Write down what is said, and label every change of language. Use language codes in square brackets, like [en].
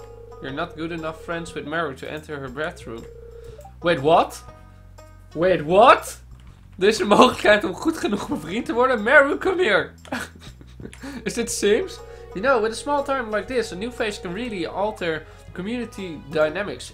[en] You're not good enough friends with Meru to enter her bathroom. Wait, what? Wait, what? [nl] Er is een mogelijkheid om goed genoeg mijn vriend te worden. Meru, [en] come here. [nl] Is dit Sims? [en] You know, with a small town like this, a new face can really alter community dynamics.